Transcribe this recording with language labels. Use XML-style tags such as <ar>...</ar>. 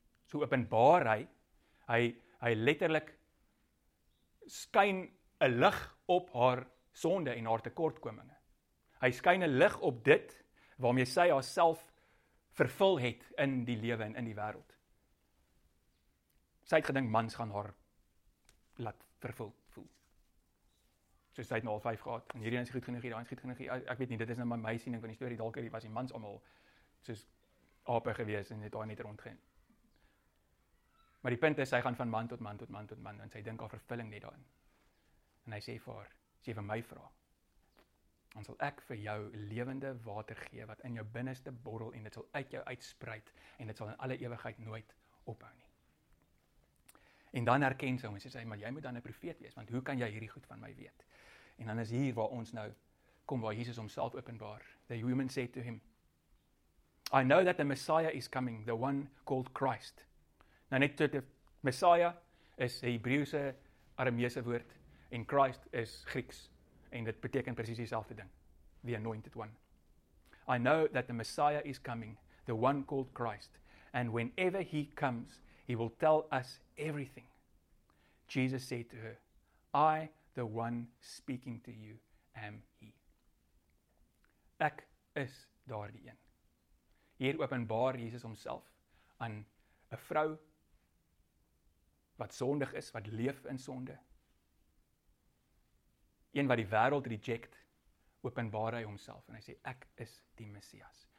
<af>So openbaar hy letterlik skyn 'n lig op haar sonde en haar tekortkominge. Hy skyn 'n lig op dit waarmee sy haarself vervul het in die lewe en in die wêreld. Sy het gedink mans gaan haar laat vervul voel. So sy het nou al 5 gehad en hierdie een is goed genoeg, hierdie een is goed genoeg. Ek weet nie, dit is nou my siening van die storie. Dalk het hy was die mans almal soos ape gewees en het daar net rondgegaan. Maar die punt is sy gaan van man tot man tot man tot man en sy dink haar vervulling net daarin. En hy sê vir haar, sê vir my vra. Dan sal ek vir jou lewende water gee wat in jou binneste borrel en dit sal uit jou uitspruit en dit sal in alle ewigheid nooit ophou nie. En dan herken sy hom en sê sy, maar jy moet dan 'n profeet wees want hoe kan jy hierdie goed van my weet? En dan is hier waar ons nou kom waar Jesus homself openbaar.</af> <en>The woman said to him, I know that the Messiah is coming, the one called Christ.</en> <af>Nou net tot die Messiah is 'n Hebreëse Arameese woord en Christ is Grieks. En dit beteken presies dieselfde ding.</af> <en>The anointed one. I know that the Messiah is coming, the one called Christ. And whenever he comes, he will tell us everything. Jesus said to her, I, the one speaking to you, am he.</en> <af>Ek is daardie een. Hier openbaar Jesus homself aan 'n vrou wat sondig is, wat leef in sonde. Een wat die wêreld reject, openbaar hy homself en hy sê ek is die Messias.</af>